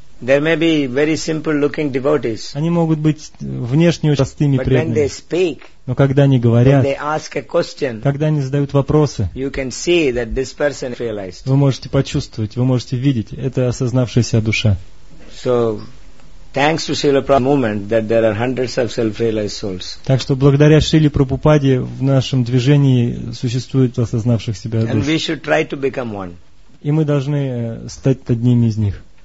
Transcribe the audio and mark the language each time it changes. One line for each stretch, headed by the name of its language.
English: There may be very simple looking devotees.
Russian: Они могут быть внешне очень простыми преданными.
English: But when they speak,
Russian: но когда они говорят,
English: when they ask a question,
Russian: когда они задают вопросы,
English: you can see that this person realized.
Russian: Вы можете почувствовать, вы можете видеть, это осознавшаяся душа.
English: So, thanks to Srila Prabhupada's movement, that there are hundreds of self-realized souls.
Russian: Так что благодаря Шриле Прабхупаде в нашем движении существует осознавших себя душ.
English: And we should try to become one.
Russian: И мы должны стать одними из них.